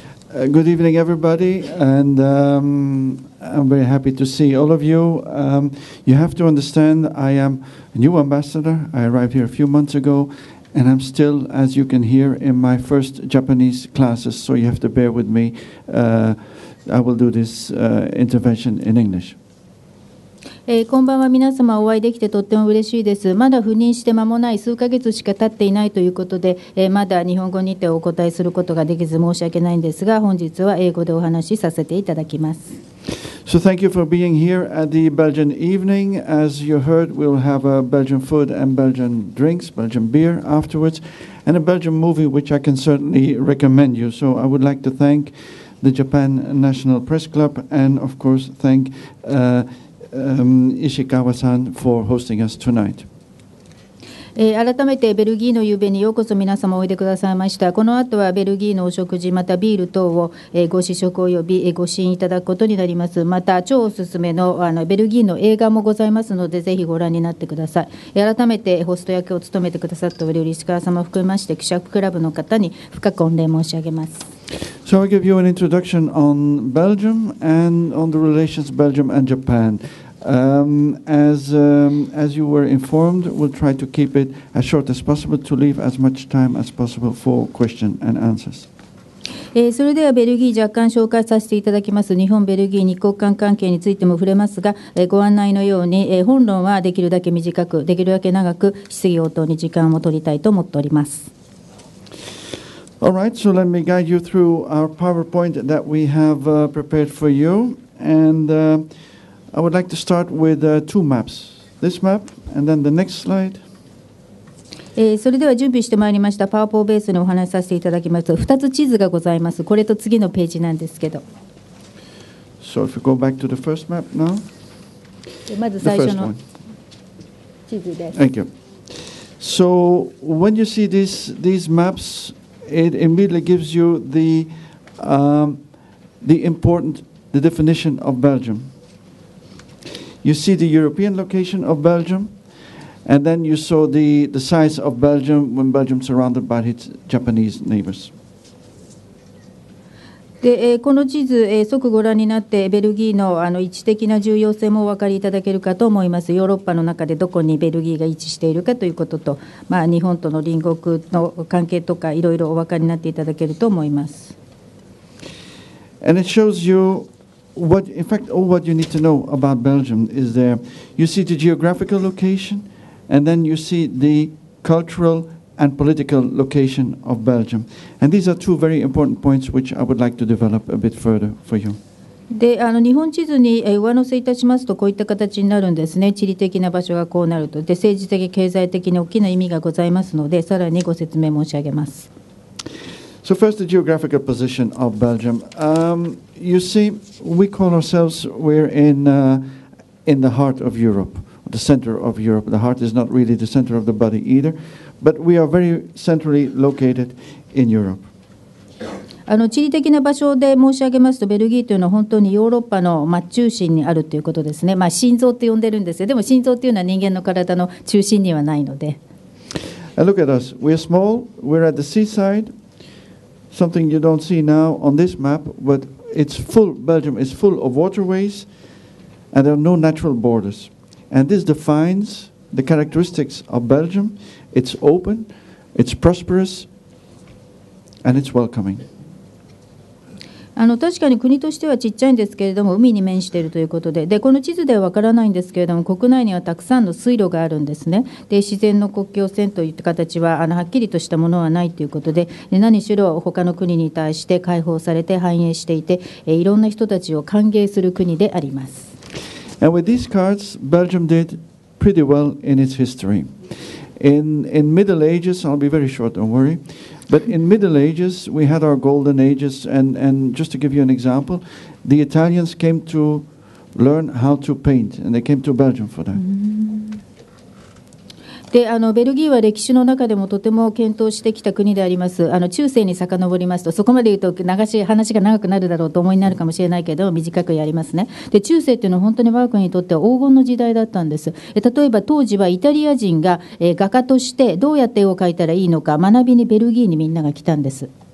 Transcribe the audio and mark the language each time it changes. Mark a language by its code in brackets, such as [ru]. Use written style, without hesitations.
[en] Good evening, everybody, and I'm very happy to see all of you. You have to understand, I am a new ambassador. I arrived here a few months ago, and I'm still, as you can hear, in my first Japanese classes, so you have to bear with me. I will do this intervention in English. [ja] こんばんは。皆様お会いできてとっても嬉しいです。まだ赴任して間もない数ヶ月しか経っていないということで、まだ日本語にてお答えすることができず申し訳ないんですが、本日は英語でお話しさせていただきます。 [en] So thank you for being here at the Belgian evening. As you heard, we'll have a Belgian food and Belgian drinks, Belgian beer afterwards, and a Belgian movie which I can certainly recommend you. So I would like to thank the Japan National Press Club and of course thank Ishikawa-san for hosting us tonight. [ja] 改めてベルギーの夕べにようこそ皆様おいでくださいました。この後はベルギーのお食事またビール等をご試食およびご試飲いただくことになります。また超おすすめのベルギーの映画もございますので、ぜひご覧になってください。改めてホスト役を務めてくださったベルギー石川様を含めまして、記者クラブの方に深く御礼申し上げます。 [en] So I'll give you an introduction on Belgium and on the relations Belgium and Japan. As you were informed, we'll try to keep it as short as possible to leave as much time as possible for questions and answers. [ja] それではベルギー若干紹介させていただきます。日本ベルギー二国間関係についても触れますが、ご案内のように本論はできるだけ短く、できるだけ長く質疑応答に時間を取りたいと思っております。 [en] All right, so let me guide you through our PowerPoint that we have prepared for you and. I would like to start with two maps. This map, and then the next slide. [ja] それでは準備してまいりました。パワーポーベースにお話しさせていただきます。 2つ地図がございます。これと次のページなんですけど。 [en] So if we go back to the first map now. [ja] まず最初の地図です。 [en] Thank you. So when you see these maps, it immediately gives you the definition of Belgium. You see the European location of Belgium, and then you saw the size of Belgium when Belgium surrounded by its Japanese neighbors. [ja] で、この地図、即ご覧になってベルギーの位置的な重要性もお分かりいただけるかと思います。ヨーロッパの中でどこにベルギーが位置しているかということと、日本との隣国の関係とかいろいろお分かりになっていただけると思います。 [en] And it shows you. What, in fact, all what you need to know about Belgium is there. You see the geographical location, and then you see the cultural and political location of Belgium. And these are two very important points which I would like to develop a bit further for you. [ja] で、日本地図に上乗せいたしますと、こういった形になるんですね。地理的な場所がこうなると。で、政治的、経済的に大きな意味がございますので、さらにご説明申し上げます。 [en] So first, the geographical position of Belgium. You see, we call ourselves, we're in the heart of Europe, the center of Europe. The heart is not really the center of the body either, but we are very centrally located in Europe. [ja] 地理的な場所で申し上げますと、ベルギーというのは本当にヨーロッパの中心にあるということですね。まあ、心臓と呼んでるんですよ。でも心臓というのは人間の体の中心にはないので。 [en] And look at us. We're small. We're at the seaside. Something you don't see now on this map, but it's full, Belgium is full of waterways, and there are no natural borders. And this defines the characteristics of Belgium. It's open, it's prosperous, and it's welcoming. [ja] 確かに国としてはちっちゃいんですけれども、海に面しているということで、で、この地図では分からないんですけれども、国内にはたくさんの水路があるんですね。で、自然の国境線といった形は、はっきりとしたものはないということで、で、何しろ他の国に対して開放されて繁栄していて、いろんな人たちを歓迎する国であります。 [en] And with these cards, Belgium did pretty well in its history. In Middle Ages, I'll be very short, don't worry. But in Middle Ages, we had our Golden Ages, and just to give you an example, the Italians came to learn how to paint, and they came to Belgium for that. [ja] で、ベルギーは歴史の中でもとても健闘してきた国であります。中世に遡りますと、そこまで言うと話が長くなるだろうと思いになるかもしれないけど、短くやりますね。で、中世っていうのは本当に我が国にとっては黄金の時代だったんです。例えば当時はイタリア人が画家としてどうやって絵を描いたらいいのか学びにベルギーにみんなが来たんです。